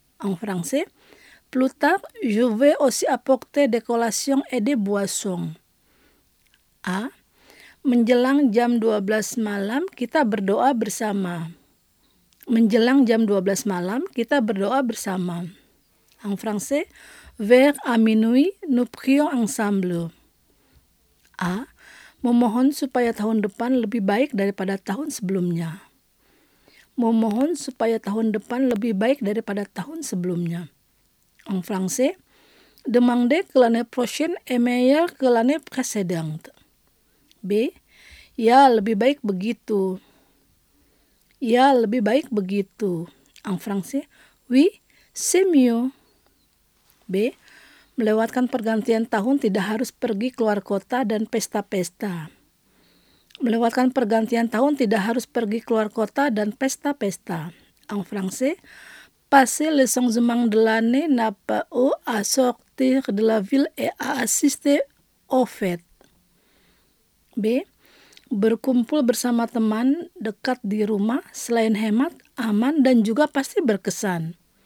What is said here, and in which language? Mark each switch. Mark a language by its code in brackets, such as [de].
[fr] En français, plus tard, je vais aussi apporter des collations et des boissons. A. [id] Menjelang jam 12 malam, kita berdoa bersama. Menjelang jam 12 malam, kita berdoa bersama. [fr] En français, vers à minuit, nous prions ensemble. A. [id] Memohon supaya tahun depan lebih baik daripada tahun sebelumnya. Memohon supaya tahun depan lebih baik daripada tahun sebelumnya. [fr] En français, demander que l'année prochaine est meilleure que l'année précédente. B. [id] Ya, lebih baik begitu. Ya, lebih baik begitu. [fr] En français, oui, c'est mieux. B. [id] Melewatkan pergantian tahun tidak harus pergi keluar kota dan pesta-pesta. Melewatkan pergantian tahun tidak harus pergi keluar kota dan pesta-pesta. [fr] En français, passer le changement de l'année n'a pas eu à sortir de la ville et à assister aux fêtes. [id] B. Berkumpul bersama teman dekat di rumah selain hemat, aman dan juga pasti berkesan.